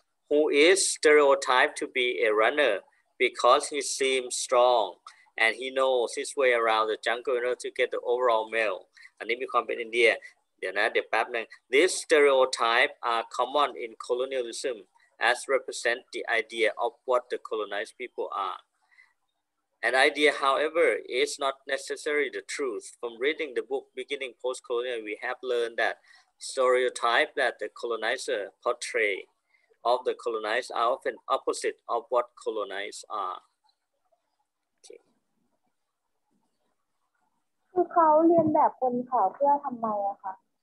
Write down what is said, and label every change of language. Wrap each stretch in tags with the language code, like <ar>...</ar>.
<en>who is stereotyped to be a runner because he seems strong and he knows his way around the jungle in order to get the overall male</en> <th>อันนี้มีความเป็นอินเดียเดี๋ยวนะเดี๋ยวแป๊บหนึ่ง</th> <en>These stereotypes are common in colonialism as represent the idea of what the colonized people are. An idea, however, is not necessarily the truth. From reading the book Beginning Postcolonial, we have learned that stereotypes that the colonizer portray of the colonized are often opposite of what colonized are.</en> <th>คือเขาเรียนแบบคนขาวเพื่อทำไมอะคะ</th>